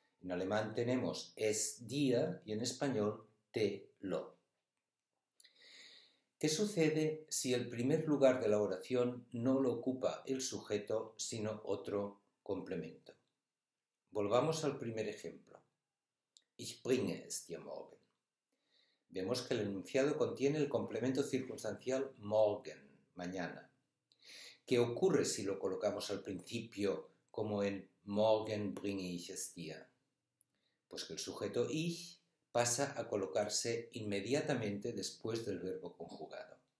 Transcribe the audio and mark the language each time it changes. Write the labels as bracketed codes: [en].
[es] En alemán tenemos es dir y en español te lo. ¿Qué sucede si el primer lugar de la oración no lo ocupa el sujeto, sino otro complemento? Volvamos al primer ejemplo. [de] Ich bringe es dir morgen. [es] Vemos que el enunciado contiene el complemento circunstancial morgen, mañana. ¿Qué ocurre si lo colocamos al principio como en [de] morgen bringe ich es dir? [es] Pues que el sujeto ich pasa a colocarse inmediatamente después del verbo conjugado.